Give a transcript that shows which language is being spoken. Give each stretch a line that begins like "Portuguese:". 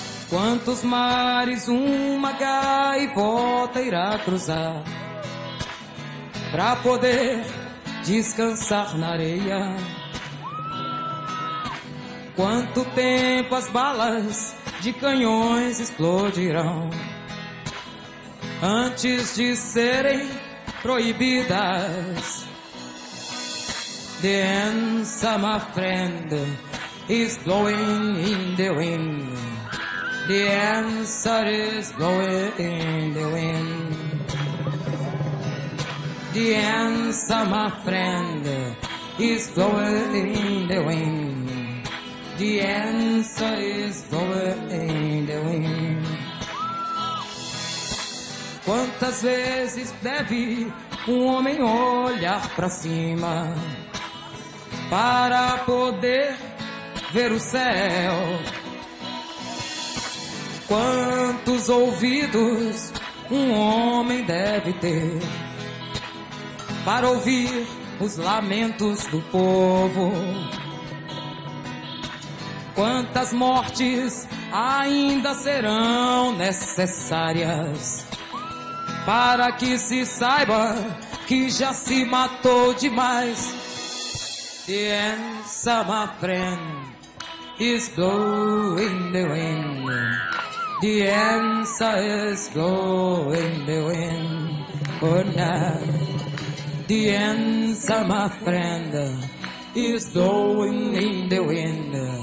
Portuguese: Quantos mares uma gaivota irá cruzar pra poder descansar na areia? Quanto tempo as balas de canhões explodirão antes de serem proibidas?
English: The answer, my friend, is blowing in the wind. The answer is blowing in the wind. The answer, my friend, is blowing in the wind. The answer is blowing in the wind.
Portuguese: Quantas vezes deve um homem olhar pra cima para poder ver o céu? Quantos ouvidos um homem deve ter para ouvir os lamentos do povo? Quantas mortes ainda serão necessárias para que se saiba que já se matou demais?
English: The answer, my friend, is blowing the wind. The answer is blowing the wind. Oh, now. The answer, my friend, is blowing in the wind.